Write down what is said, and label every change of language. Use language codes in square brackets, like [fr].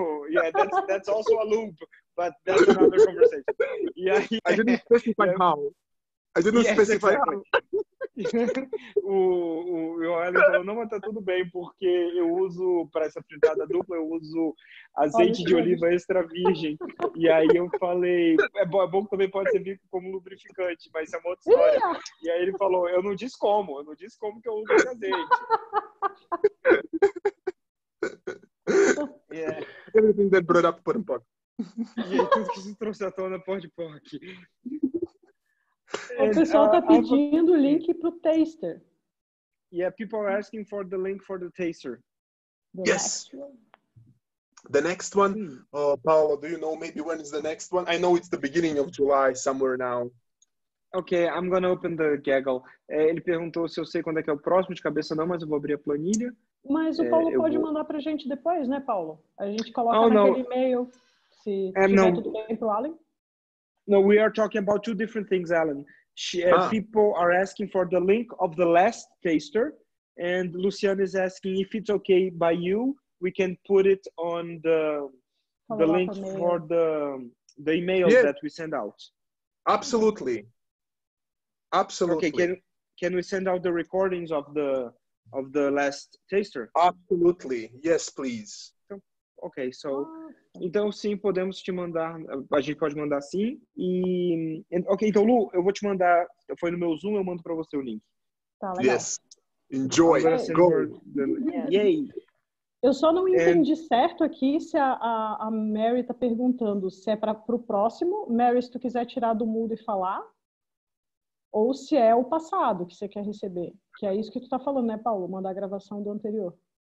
[en] yeah, that's also a lube, but that's another conversation. Yeah. I didn't specify how. Yes, exactly. [pt] O Alan falou, não, mas tá tudo bem, porque eu uso, para essa fritada dupla, eu uso azeite de oliva extra virgem. E aí eu falei, é bom que também pode servir como lubrificante, mas isso é uma outra história. E aí ele falou, eu não disse como que eu uso esse azeite. [en] Yeah. Everything that brought up porn pork. [pt] E tudo que se trouxe à tona [en] porn pork. [pt] O pessoal tá pedindo o link pro taster. [en] Yeah, people are asking for the link for the taster. Yes. The next one, Paulo, do you know maybe when is the next one? I know it's the beginning of July, somewhere now. Okay, I'm going to open the Gaggle. [pt] Ele perguntou se eu sei quando é que é o próximo, de cabeça não, mas eu vou abrir a planilha. Mas o Paulo pode mandar pra gente depois, né, Paulo? A gente coloca naquele e-mail, se tiver tudo bem pro Alan. [en] No, we are talking about two different things, Alan. People are asking for the link of the last taster, and Luciana is asking if it's okay by you, we can put it on the link for the email that we send out. Absolutely. Absolutely. Okay, can we send out the recordings of the last taster? Absolutely. Yes, please. [pt] Ok, so, então sim, podemos te mandar, a gente pode mandar sim, ok, então Lu, eu vou te mandar, foi no meu Zoom, eu mando para você o link. Tá, legal. [en] Yes, enjoy, okay. Go. Yay. [pt] Eu só não entendi certo aqui se a Mary tá perguntando se é para o próximo, Mary, se tu quiser tirar do mudo e falar, ou se é o passado que você quer receber, que é isso que tu tá falando, né, Paulo, mandar a gravação do anterior.